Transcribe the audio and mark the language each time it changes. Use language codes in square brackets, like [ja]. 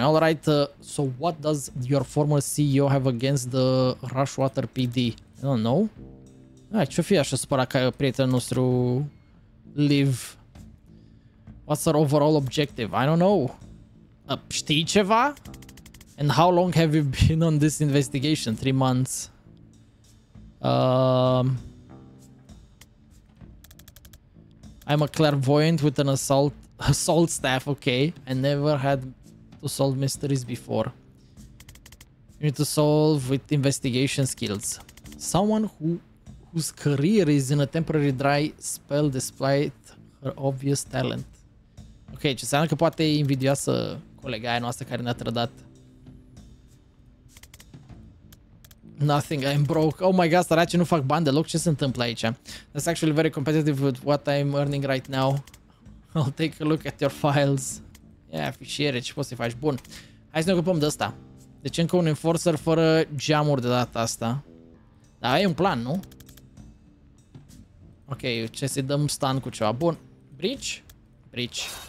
[en] Alright, so what does your former CEO have against the Rushwater PD? I don't know. [ro] Ah, ce-o fi așa supărat ca prietenul nostru Liv? [en] What's our overall objective? I don't know. [ro] Știi ceva? [en] And how long have you been on this investigation? 3 months. I'm a clairvoyant with an assault staff, okay? I never had to solve mysteries before. You need to solve with investigation skills. Someone whose career is in a temporary dry spell despite her obvious talent. [ro] Ok, ce înseamnă că poate e invidioasă colega aia noastră care ne-a trădat. [en] Nothing, I'm broke. Oh my god, [ro] săraci, nu fac bani deloc. Ce se întâmplă aici? [en] That's actually very competitive with what I'm earning right now. I'll take a look at your files. [ro] Yeah, fișiere, ce poți să faci? Bun. Hai să ne ocupăm de asta. Deci încă un enforcer fără geamuri de data asta. Dar ai un plan, nu? Ok, ce să-i dăm stun cu ceva? Bun. Bridge? Bridge.